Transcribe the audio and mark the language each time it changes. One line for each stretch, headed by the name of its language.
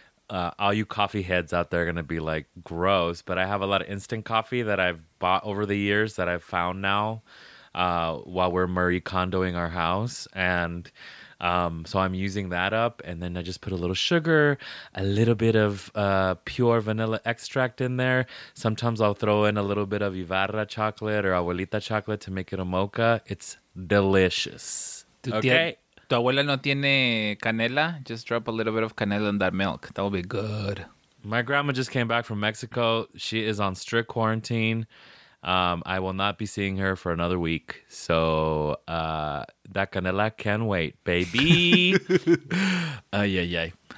English: all you coffee heads out there are going to be like, gross. But I have a lot of instant coffee that I've bought over the years that I've found now while we're Marie Kondoing our house. And so I'm using that up. And then I just put a little sugar, a little bit of pure vanilla extract in there. Sometimes I'll throw in a little bit of Ibarra chocolate or Abuelita chocolate to make it a mocha. It's delicious. Okay.
Spanish: Tu abuela no tiene canela?
English: Just drop a little bit of canela in that milk. That will be good. My grandma just came back from Mexico. She is on strict quarantine. I will not be seeing her for another week. So that canela can wait, baby. Ay, ay, ay.